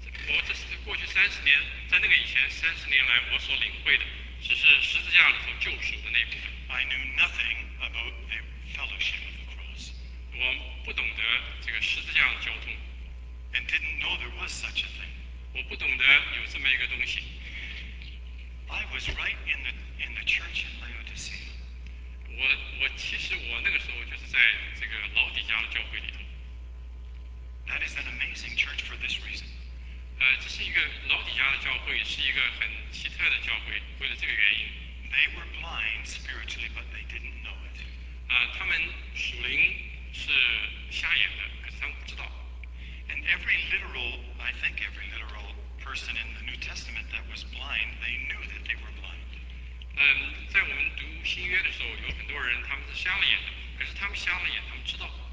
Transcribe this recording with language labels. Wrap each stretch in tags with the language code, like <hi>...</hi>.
<zh>我这是过去三十年，在那个以前三十年来，我所领会的只是十字架里头救赎的那部分。</zh> <en>I knew nothing about the fellowship of the cross.</en> <zh>我不懂得这个十字架的交通。</zh> <en>And didn't know there was such a thing.</en> <zh>我不懂得有这么一个东西。</zh> <en>I was right in the church in Laodicea.</en> <zh>我其实我那个时候就是在这个老底家的教会里头。</zh> <en>That is an amazing church for this reason.</en> <zh>这是一个老底家的教会，是一个很奇特的教会，为了这个原因。</zh> <en>They were blind spiritually, but they didn't know it.</en> <zh>他们属灵是瞎眼的，可是他们不知道。</zh> <en>And I think every literal person in the New Testament that was blind, they knew that they were blind.</en> <zh>在我们读新约的时候，有很多人他们是瞎了眼的，可是他们瞎了眼，他们知道。</zh>